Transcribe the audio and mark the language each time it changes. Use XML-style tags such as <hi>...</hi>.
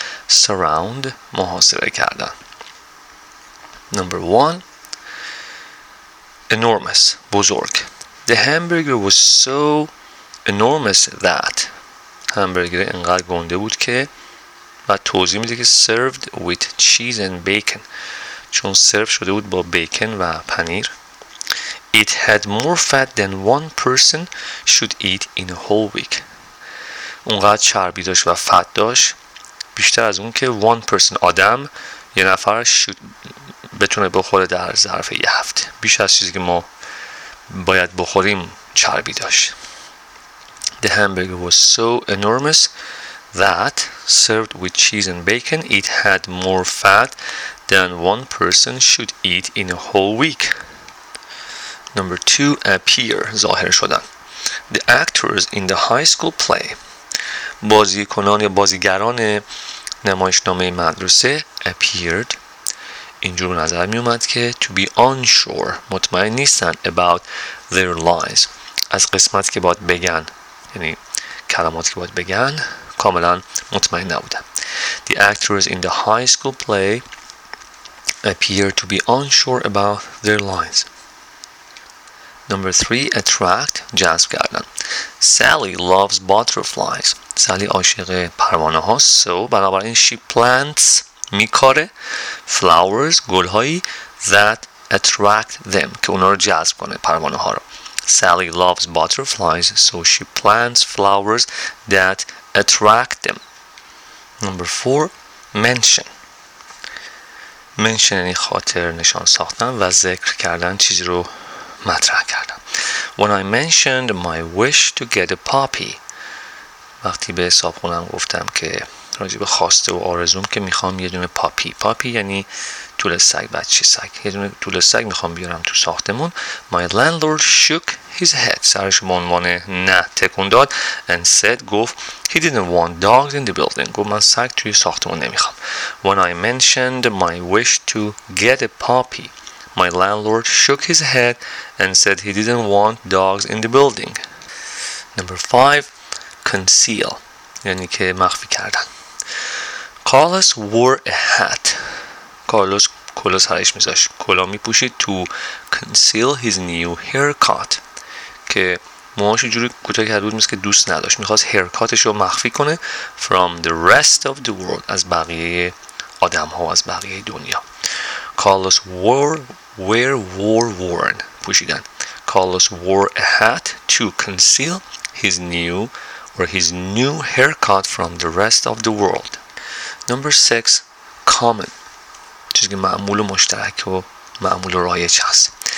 <en>Surround,</en> <fa>محاصره کردن.</fa> <en>Number one, enormous,</en> <fa>بزرگ.</fa> <en>The hamburger was so enormous that.</en> <fa>همبرگر انقدر گنده بود که. و توضیح میده که</fa> <en>served with cheese and bacon.</en> <fa>چون سرو شده بود با بیکن و پنیر.</fa> <en>It had more fat than one person should eat in a whole week.</en> <fa>اونقدر چربی داشت و فت داشت بیشتر از اون که</fa> <en>one person</en> <fa>آدم یه نفر</fa> <en>should</en> <fa>بتونه بخوره در ظرف یه هفته. بیش از چیزی که ما باید بخوریم چربی داشت.</fa> <en>The hamburger was so enormous that served with cheese and bacon it had more fat than one person should eat in a whole week. Number two, appear, ظاهر شدن. The actors in the high school play.</en> <fa>بازیکنان یا بازیگران نمایشنامه مدرسه appeared. اینجور به نظر می اومد که</fa> <en>to be unsure,</en> <fa>مطمئن نیستن</fa> <en>about their lines.</en> <fa>از قسمت که باید بگن، یعنی کلمات که باید بگن، کاملا مطمئن نبودن.</fa> <en>The actors in the high school play appear to be unsure about their lines. Number three, attract, جذب کردن. Sally loves butterflies.</en> <fa>سالی عاشق پروانه هاست.</fa> <en>So,</en> <fa>بنابراین</fa> <en>she plants,</en> <fa>میکاره,</fa> <en>flowers,</en> <fa>گلهایی</fa> <en>that attract them,</en> <fa>که اونا رو جذب کنه پروانه ها رو.</fa> <en>Sally loves butterflies, so she plants flowers that attract them. Number four, mention.</en> <fa>Mention یعنی خاطر نشان ساختن و ذکر کردن چیزی رو مطرح کردن.</fa> <en>When I mentioned my wish to get a puppy,</en> <fa>وقتی به حساب خونم گفتم که راجع به خواسته و آرزوم که میخوام یه دونه پاپی. پاپی یعنی توله سگ، بچه سگ. یه دونه توله سگ میخوام بیارم تو ساختمون.</fa> <en>My landlord shook his head.</en> <fa>سرش به عنوان نه تکون داد.</fa> <en>And said,</en> <fa>گفت</fa> <en>he didn't want dogs in the building.</en> <fa>گفت من سگ توی ساختمون نمیخوام.</fa> <en>When I mentioned my wish to get a puppy, my landlord shook his head and said he didn't want dogs in the building. Number five, conceal,</en> <fa>یعنی که مخفی کردن.</fa> <en>Carlos wore a hat.</en> <fa>کارلوس کلا سرش میذاشت، کلا میپوشید.</fa> <en>To conceal his new haircut,</en> <fa>که موهاش اینجوری کوتاه کرده بود که دوست نداشت، میخواست هیرکاتش رو مخفی کنه.</fa> <en>From the rest of the world,</en> <fa>از بقیه آدم ها و از بقیه دنیا.</fa> <en>Carlos wore worn,</en> <fa>پوشیدن.</fa> <en>Carlos wore a hat to conceal his new or his new haircut from the rest of the world. Number six, common,</en> <fa>چیزی که معمول و مشترک و معمول و رایج هست.</fa>